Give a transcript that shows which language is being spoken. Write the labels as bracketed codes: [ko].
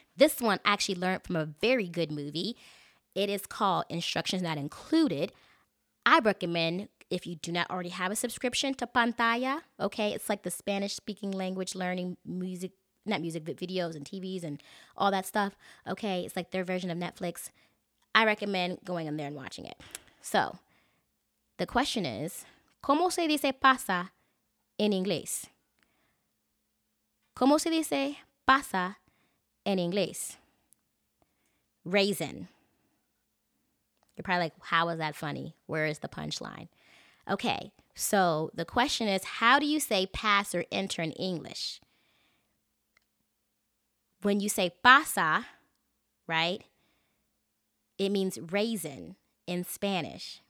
[en] This one I actually learned from a very good movie. It is called Instructions Not Included. I recommend, if you do not already have a subscription, to Pantalla. Okay, it's like the Spanish-speaking language learning music, not music, but videos and TVs and all that stuff. Okay, it's like their version of Netflix. I recommend going in there and watching it. [es] So, the question is, ¿cómo se dice pasa en inglés? ¿Cómo se dice pasa en inglés? [en] Raisin. You're probably like, how is that funny? Where is the punchline? Okay, so the question is, how do you say pass or enter in English? When you say pasa, right, it means raisin in Spanish.